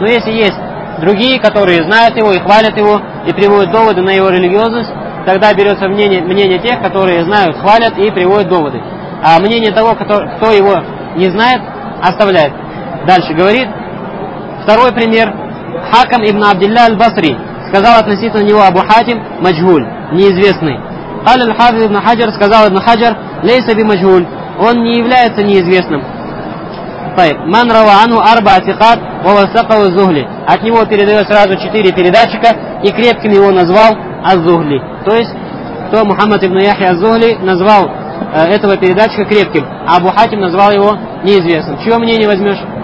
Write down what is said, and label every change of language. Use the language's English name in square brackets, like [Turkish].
[Russian] Но если есть другие, которые знают его и хвалят его, и приводят доводы на его религиозность, тогда берется мнение тех, которые знают, хвалят и приводят доводы. А мнение того, кто его не знает, оставляет. Дальше говорит. Второй пример. Хакам ибн Абдилля аль-Басри. Сказал относительно него Абу Хатим, маджхуль, неизвестный. [Arabic] قال الحافظ ابن حجر, сказал ابن حجر, ليس بمجهول, [Russian] он не является неизвестным. [Arabic] طيب من روى عنه اربع ثقات ووثقه الزهلي, [Russian] от него передает сразу четыре передатчика и крепким его назвал الزهلي, то есть то Мухаммад ибн Яхья الزهلي назвал этого передатчика крепким, а Абу Хатим назвал его неизвестным. Чье мнение возьмешь?